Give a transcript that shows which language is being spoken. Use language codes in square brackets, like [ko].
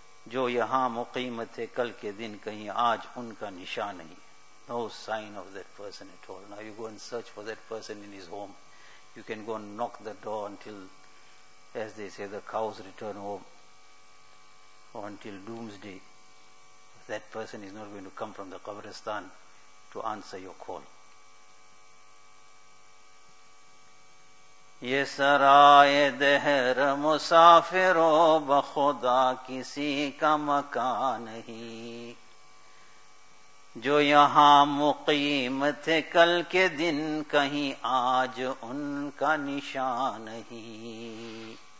[ur] جو یہاں مقیم تھے کل کے دن کہیں آج ان کا نشان نہیں. [en] No sign of that person at all. Now you go and search for that person in his home. You can go and knock the door until, as they say, the cows return home, or until doomsday. That person is not going to come from the qabristan to answer your call. [ur] یہ سرائے دہر مسافرو بخدا کسی کا مکان نہیں، جو یہاں مقیم تھے کل کے دن کہیں آج ان کا نشان نہیں.